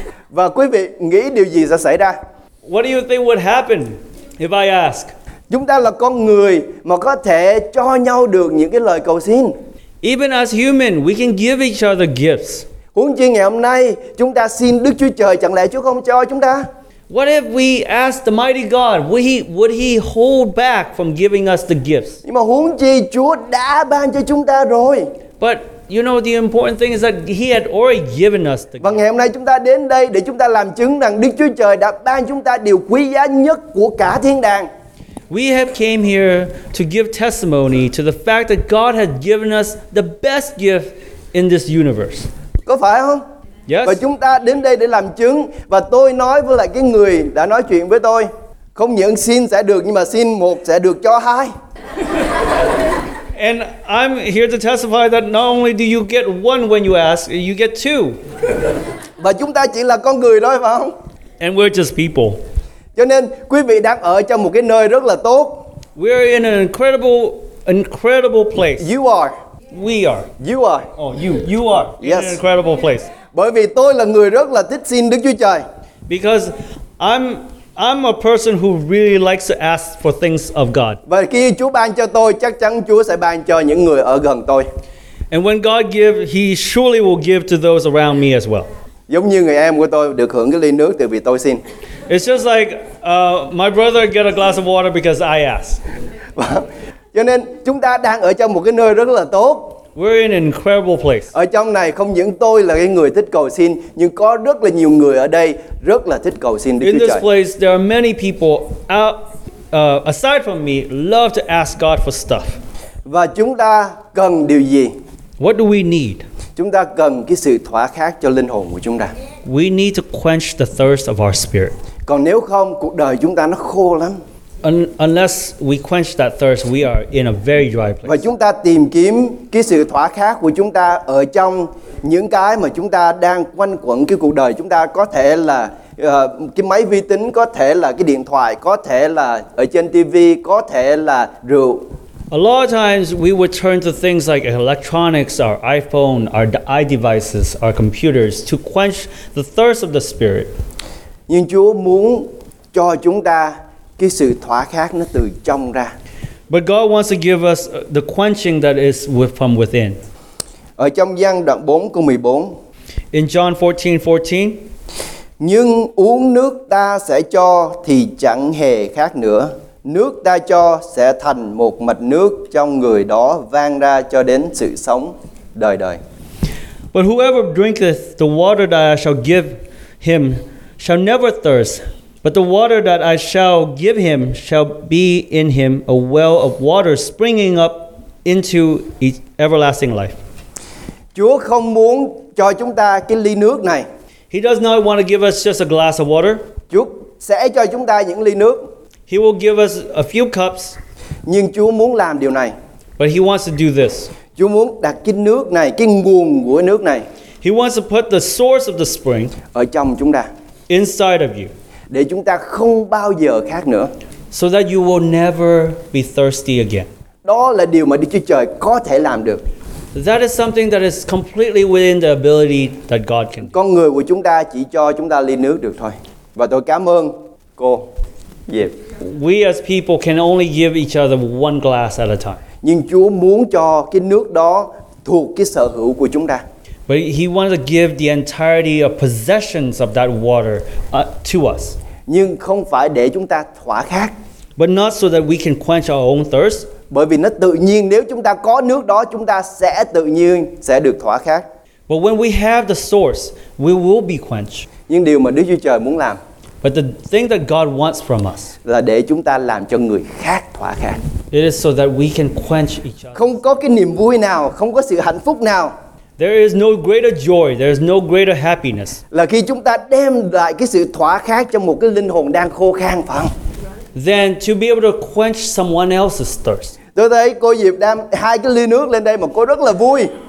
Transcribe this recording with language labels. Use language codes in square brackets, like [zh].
[vi] Và quý vị nghĩ điều gì sẽ xảy ra? [en] What do you think would happen if I ask? [vi] Chúng ta là con người mà có thể cho nhau được những cái lời cầu xin. [en] Even as human, we can give each other gifts. [vi] Huống chi ngày hôm nay chúng ta xin Đức Chúa Trời, chẳng lẽ Chúa không cho chúng ta? [en] What if we ask the mighty God, would he hold back from giving us the gifts? [vi] Nhưng mà huống chi Chúa đã ban cho chúng ta rồi. [en] But you know the important thing is that he had already given us the gifts. [vi] Và ngày hôm nay chúng ta đến đây để chúng ta làm chứng rằng Đức Chúa Trời đã ban chúng ta điều quý giá nhất của cả thiên đàng. [en] We have came here to give testimony to the fact that God has given us the best gift in this universe. [vi] Có phải không? [en] Yes. [vi] Và chúng ta đến đây để làm chứng. Và tôi nói với lại cái người đã nói chuyện với tôi, không những xin sẽ được, nhưng mà xin một sẽ được cho hai. [en] And I'm here to testify that not only do you get one when you ask, you get two. [vi] Và chúng ta chỉ là con người thôi phải không? [en] And we're just people. [vi] Cho nên quý vị đang ở trong một cái nơi rất là tốt. [en] We are in an incredible place. You are. We are. You are. Oh, you are. Yes. In an incredible place. [vi] Bởi vì tôi là người rất là thích xin Đức Chúa Trời. [en] Because I'm a person who really likes to ask for things of God. [vi] Và khi Chúa ban cho tôi, chắc chắn Chúa sẽ ban cho những người ở gần tôi. [en] And when God gives, he surely will give to those around me as well. [vi] Giống như người em của tôi được hưởng cái ly nước từ vì tôi xin. [en] It's just like my brother get a glass of water because I ask. [vi] Cho nên chúng ta đang ở trong một cái nơi rất là tốt. [en] We're in an incredible place. [vi] Ở trong này không những tôi là cái người thích cầu xin, nhưng có rất là nhiều người ở đây rất là thích cầu xin Đức Chúa Trời. [en] In this place, there are many people out, aside from me, love to ask God for stuff. [vi] Và chúng ta cần điều gì? [en] What do we need? [vi] Chúng ta cần cái sự thỏa khát cho linh hồn của chúng ta. [en] We need to quench the thirst of our spirit. [vi] Còn nếu không, cuộc đời chúng ta nó khô lắm. [en] Unless we quench that thirst, we are in a very dry place. [vi] Và chúng ta tìm kiếm cái sự thỏa khát của chúng ta ở trong những cái mà chúng ta đang quanh quẩn cái cuộc đời chúng ta, có thể là cái máy vi tính, có thể là cái điện thoại, có thể là ở trên TV, có thể là rượu. [en] A lot of times we would turn to things like electronics, our iPhone, our eye devices, our computers to quench the thirst of the spirit. [vi] Nhưng Chúa muốn cho chúng ta cái sự thỏa khát nó từ trong ra. [en] But God wants to give us the quenching that is from within. [vi] Ở trong Giăng đoạn 4 câu 14. [en] In John 14:14. [vi] Nhưng uống nước ta sẽ cho thì chẳng hề khác nữa. Nước ta cho sẽ thành một mạch nước trong người đó vang ra cho đến sự sống đời đời. [en] But whoever drinketh the water that I shall give him shall never thirst. But the water that I shall give him shall be in him a well of water springing up into everlasting life. [vi] Chúa không muốn cho chúng ta cái ly nước này. [en] He does not want to give us just a glass of water. [vi] Chúa sẽ cho chúng ta những ly nước. [en] He will give us a few cups. [vi] Nhưng Chúa muốn làm điều này. [en] But he wants to do this. [vi] Chúa muốn đặt cái nước này, cái nguồn của nước này. [en] He wants to put the source of the spring [vi] ở trong chúng ta. [en] Inside of you. [vi] Để chúng ta không bao giờ khát nữa. [en] So that you will never be thirsty again. [vi] Đó là điều mà Đức Chúa Trời có thể làm được. [en] That is something that is completely within the ability that God can do. [vi] Con người của chúng ta chỉ cho chúng ta ly nước được thôi. Và tôi cảm ơn cô Diệp. [en] We as people can only give each other one glass at a time. [vi] Nhưng Chúa muốn cho cái nước đó thuộc cái sở hữu của chúng ta. [en] But he wants to give the entirety of possessions of that water to us. [vi] Nhưng không phải để chúng ta thỏa khát. [en] But not so that we can quench our own thirst. [vi] Bởi vì nó tự nhiên, nếu chúng ta có nước đó, chúng ta sẽ tự nhiên sẽ được thỏa khát. [en] But when we have the source, we will be quenched. [vi] Nhưng điều mà Đức Chúa Trời muốn làm, [en] but the thing that God wants from us, [vi] là để chúng ta làm cho người khác thỏa khát. [en] It is so that we can quench each other. [vi] Không có cái niềm vui nào, không có sự hạnh phúc nào. [en] There is no greater joy, there is no greater happiness. [vi] Là khi chúng ta đem lại cái sự thỏa khát cho một cái linh hồn đang khô khan, phải không? [en] Than to be able to quench someone else's thirst. [vi] Tôi thấy cô Diệp đem hai cái ly nước lên đây mà cô rất là vui.